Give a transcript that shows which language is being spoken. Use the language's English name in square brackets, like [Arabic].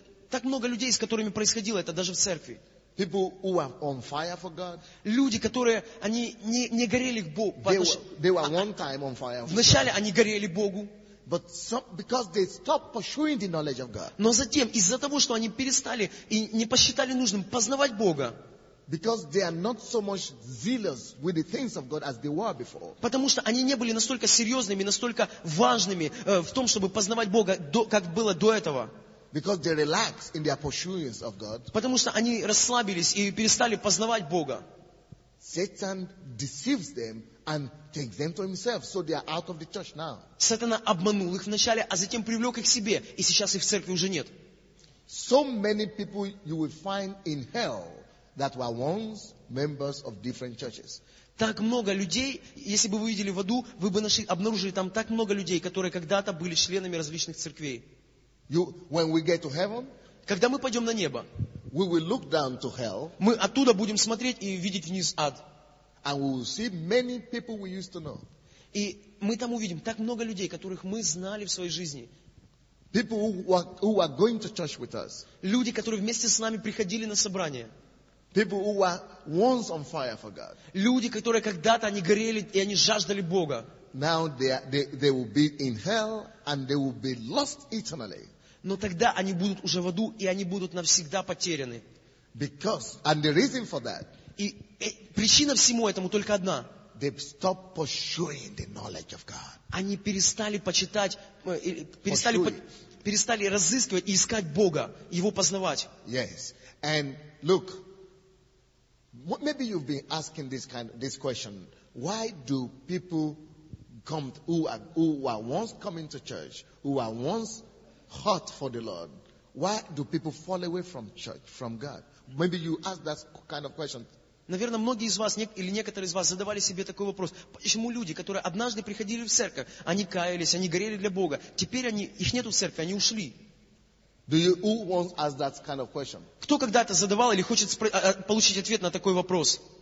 [Russian] Так много людей, с которыми происходило это даже в церкви. [English] People who are on fire for God. [Russian] Люди, которые они не горели к Богу. [English] They were one time on fire. [Russian] Вначале они горели Богу. [English] But because they stopped pursuing the knowledge of God. [Russian] Но затем из-за того, что они перестали и не посчитали нужным познавать Бога. [English] Because they are not so much zealous with the things of God as they were before. [Russian] Потому что они не были настолько серьезными, настолько важными в том, чтобы познавать Бога, как было до этого. [English] Because they relax in their pursuance of God. [Russian] Потому что они расслабились и перестали познавать Бога. [English] Satan deceives them and takes them to himself, so they are out of the church now. [Russian] Сатана обманул их вначале, а затем привлек их к себе, и сейчас их в церкви уже нет. [English] So many people you will find in hell that were once members of different churches. [Russian] Так много людей, если бы вы видели в аду, вы бы нашли, обнаружили там так много людей, которые когда-то были членами различных церквей. [English] When we get to heaven, [Russian] когда мы пойдем на небо, [English] we will look down to hell, [Russian] мы оттуда будем смотреть и видеть вниз ад. [English] And we will see many people we used to know. [Russian] И мы там увидим так много людей, которых мы знали в своей жизни. [English] People who are going to church with us. [Russian] Люди, которые вместе с нами приходили на собрание. [English] People who were once on fire for God. [Russian] Люди, которые когда-то они горели и они жаждали Бога. [English] Now they will be in hell and they will be lost eternally. [Russian] Но тогда они будут уже в аду и они будут навсегда потеряны. [English] Because and the reason for that. [Russian] И причина всему этому только одна. [English] They stop pursuing the knowledge of God. [Russian] Они перестали почитать, перестали разыскивать и искать Бога, его познавать. [English] Yes. And look, maybe you've been asking this question. Why do people come who were once coming to church, who were once hot for the Lord, why do people fall away from church, from God? Maybe you ask that kind of question. [Russian] Наверное, многие из вас, или некоторые из вас задавали себе такой вопрос. Почему люди, которые однажды приходили в церковь, они каялись, они горели для Бога, теперь их нету в церкви, они ушли? Кто когда-то задавал или хочет получить ответ на такой вопрос?